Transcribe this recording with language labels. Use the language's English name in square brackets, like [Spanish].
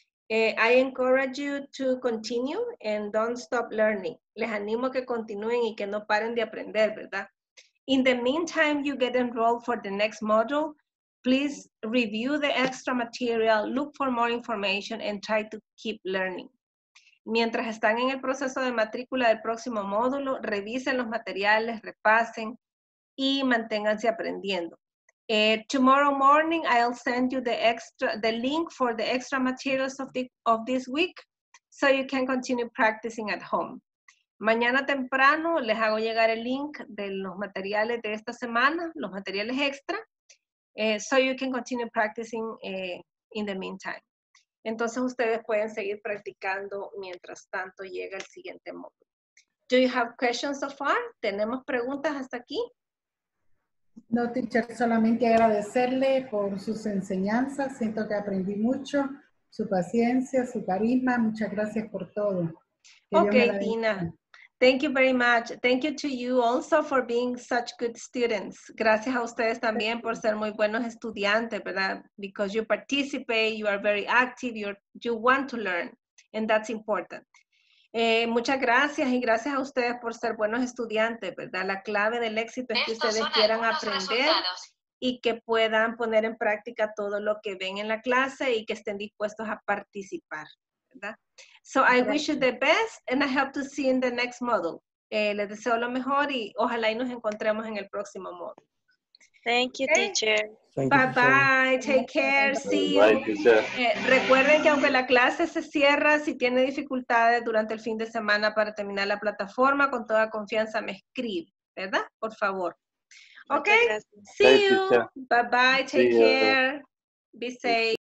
[English] I encourage you to continue and don't stop learning. [Spanish] Les animo que continúen y que no paren de aprender, ¿verdad? [English] In the meantime, you get enrolled for the next module. Please review the extra material, look for more information and try to keep learning. [Spanish] Mientras están en el proceso de matrícula del próximo módulo, revisen los materiales, repasen y manténganse aprendiendo. [English] Tomorrow morning, I'll send you the link for the extra materials of this week so you can continue practicing at home. [Spanish] Mañana temprano les hago llegar el link de los materiales de esta semana, los materiales extra, [English] so you can continue practicing in the meantime. [Spanish] Entonces ustedes pueden seguir practicando mientras tanto llega el siguiente módulo. [English] Do you have questions so far? [Spanish] ¿Tenemos preguntas hasta aquí? No, teacher, solamente agradecerle por sus enseñanzas. Siento que aprendí mucho, su paciencia, su carisma. Muchas gracias por todo. [English] Okay, Dina. Thank you very much. Thank you to you also for being such good students. [Spanish] Gracias a ustedes también por ser muy buenos estudiantes, ¿verdad? [English] Because you participate, you are very active, you want to learn, and that's important. [Spanish] Muchas gracias y gracias a ustedes por ser buenos estudiantes, ¿verdad? La clave del éxito es que ustedes quieran aprender y que puedan poner en práctica todo lo que ven en la clase y que estén dispuestos a participar, ¿verdad? [English] So I wish you the best and I hope to see you in the next module. [Spanish] Les deseo lo mejor y ojalá y nos encontremos en el próximo module. [English] Thank you, teacher. Bye-bye. Take care. See you. [Spanish] Recuerden que aunque la clase se cierra, si tiene dificultades durante el fin de semana para terminar la plataforma, con toda confianza me escribe, ¿verdad? Por favor. [English] Okay. See you. Bye-bye. Take care. Be safe.